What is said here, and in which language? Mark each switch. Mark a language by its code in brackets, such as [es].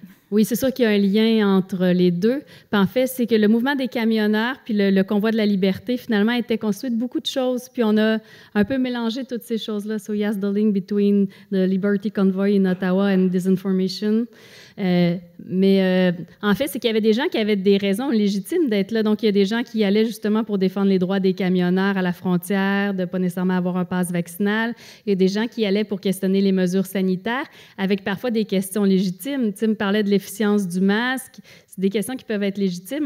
[fr] Oui, c'est sûr qu'il y a un lien entre les deux. Puis en fait, c'est que le mouvement des camionneurs puis le convoi de la liberté, finalement, était construit de beaucoup de choses. Puis on a un peu mélangé toutes ces choses-là. [en] So, yes, the link between the Liberty Convoy in Ottawa and disinformation. [fr] Mais en fait, c'est qu'il y avait des gens qui avaient des raisons légitimes d'être là. Donc, il y a des gens qui allaient justement pour défendre les droits des camionneurs à la frontière, de ne pas nécessairement avoir un passe vaccinal. Il y a des gens qui allaient pour questionner les mesures sanitaires avec parfois des questions légitimes. Tim parlait de l'efficience du masque. C'est des questions qui peuvent être légitimes.